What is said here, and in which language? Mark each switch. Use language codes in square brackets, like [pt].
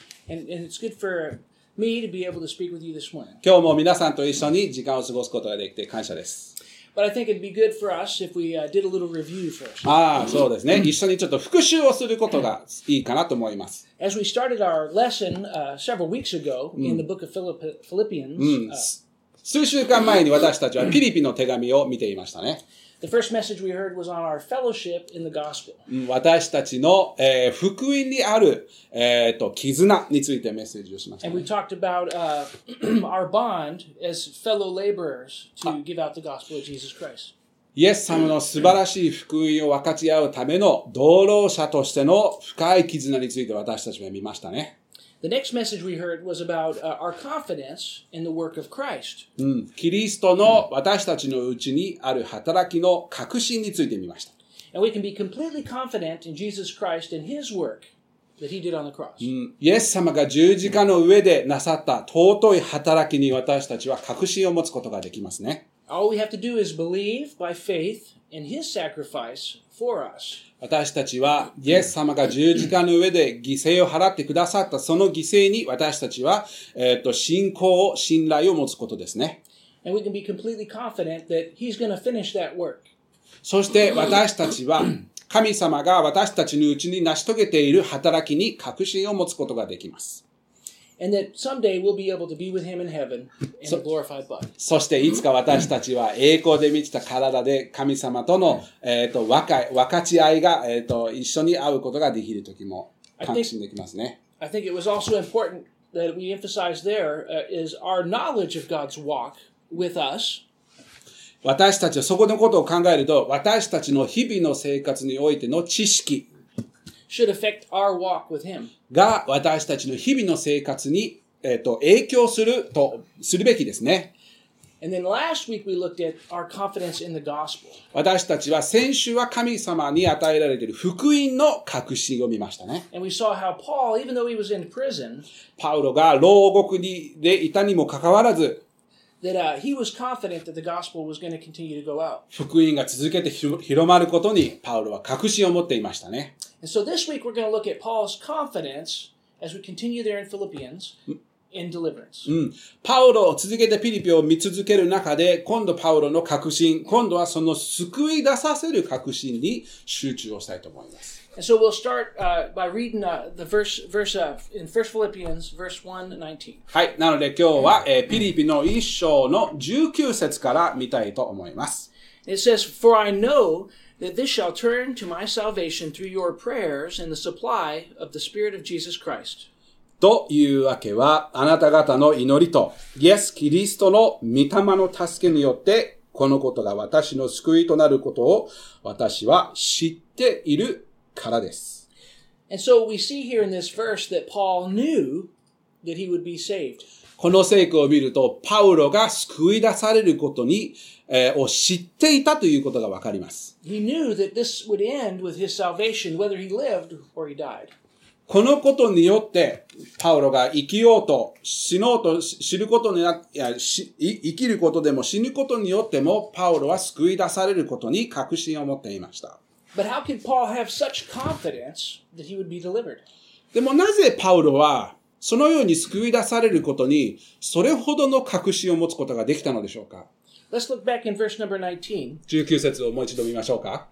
[en] And it's good for me to be able to speak with you this morning. [ja] 今日も皆さんと一緒に時間を過ごすことができて感謝です。 [en] But I think it'd be good for us if we did a little review first. [ja] そうですね。一緒にちょっと復習をすることがいいかなと思います。 [en] As we started our lesson several weeks ago in the book of Philippians. [ja] 数週間前に私たちはピリピの手紙を見ていましたね。 [en] The first message we heard was on our fellowship in the gospel. [ja] 私たちの、福音にある、絆についてメッセージをしました、 [en] ね。And we talked about our bond as fellow laborers to give out the gospel of Jesus Christ. [ja] イエス様の素晴らしい福音を分かち合うための同労者としての深い絆について私たちは見ましたね。 [en] The next message we heard was about our confidence in the work of Christ. [ja] キリストの私たちのうちにある働きの確信について見ました。 [en] And we can be completely confident in Jesus Christ and His work that He did on the cross. [ja] イエス様が十字架の上でなさった尊い働きに私たちは確信を持つことができますね。 [en] All we have to do is believe by faith in His sacrifice for us. [ja] 私たちはイエス様が十字架の上で犠牲を払ってくださったその犠牲に私たちは、信仰を信頼を持つことですね。 [en] And we can be completely confident that he's going to finish that work. [ja] そして私たちは神様が私たちのうちに成し遂げている働きに確信を持つことができます。 [en] And that someday we'll be able to be with him in heaven in a glorified body. [ja] そしていつか私たちは栄光で満ちた体で神様との分かち合いが一緒に会うことができる時も確信できますね。 [en] I think it was also important that we emphasize there is our knowledge of God's walk with us. [ja] 私たちはそこのことを考えると私たちの日々の生活においての知識 [en] Should affect our walk with him. [ja] が私たちの日々の生活に、影響するとするべきですね。 [en] And then last week we looked at our confidence in the gospel. [ja] 私たちは先週は神様に与えられている福音の確信を見ましたね。 [en] And we saw how Paul, even though he was in prison, [ja] パウロが牢獄にでいたにもかかわらず、 [en] that he was confident that the gospel was going to continue to go out. [ja] 福音が続けて広まることにパウロは確信を持っていましたね。 [en] And so this week we're going to look at Paul's confidence as we continue there in Philippians and deliverance. [ja] パウロを続けてピリピを見続ける中で、今度パウロの確信、今度はその救い出させる確信に集中をしたいと思います。 [en] And so we'll start by reading the verse in 1 Philippians, verse 1:19. [ja] はい、なので今日は、ピリピの一章の19節から見たいと思います。 [en] It says, For I know that this shall turn to my salvation through your prayers and the supply of the Spirit of Jesus Christ. [ja] というわけは、あなた方の祈りと、イエス・キリストの御霊の助けによって、このことが私の救いとなることを私は知っているからです。 [en] And so we see here in this verse that Paul knew that he would be saved. [ja] この聖句を見ると、パウロが救い出されることに、を知っていたということがわかります。 [en] He knew that this would end with his salvation, whether he lived or he died. [ja] このことによって、パウロが生きようと、死のうと、死ぬことになっ、いや、生きることでも死ぬことによっても、パウロは救い出されることに確信を持っていました。 [en] But how could Paul have such confidence that he would be delivered? [ja] でもなぜパウロは、そのように救い出されることに、それほどの確信を持つことができたのでしょうか。 [en] Let's look back in verse number [ja] 19. 19節をもう一度見ましょうか。